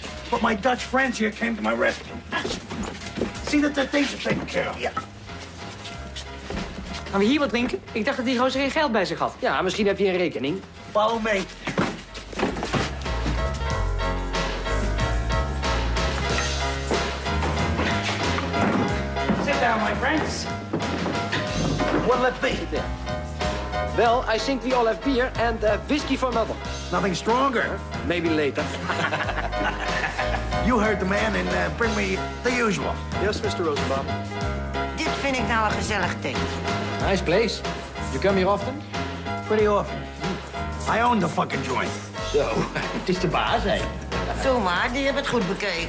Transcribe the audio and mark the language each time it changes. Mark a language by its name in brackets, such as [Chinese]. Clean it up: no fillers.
[English] But my Dutch friends here came to my rescue. See that the things are taken care of. Yeah. [Dutch] Gaan we hier wat drinken? Ik dacht dat die gozer geen geld bij zich had. Ja, misschien heb je een rekening. [English] Follow me. Sit down, my friends. What'll it be? Well, I think we all have beer and whiskey for another. Nothing stronger. Maybe later. You heard the man and bring me the usual. Yes, Mr. Rosenbaum. [Dutch] Dit vind ik nou een gezellig tentje. [English] Nice place. You come here often? Pretty often. I own the fucking joint. [Dutch] Zo, so, het is de baas, hè? Doe maar, die hebben het goed bekeken.